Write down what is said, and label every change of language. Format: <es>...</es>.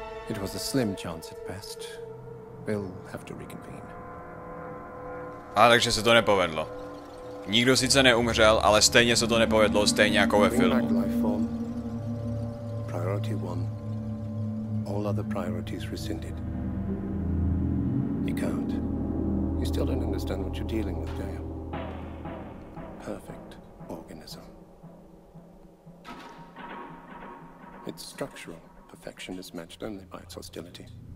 <en>It was a slim chance at best. We'll have to reconvene.</en> <cs>A takže se to nepovedlo. Nikdo sice neumřel, ale stejně se to nepovedlo, stejně jako ve filmu.</cs> <en>Priority one. All other priorities rescinded. You can't. You still don't understand what you're dealing with, do you? Perfect organism. It's structural. Perfection is matched only by its hostility.</en>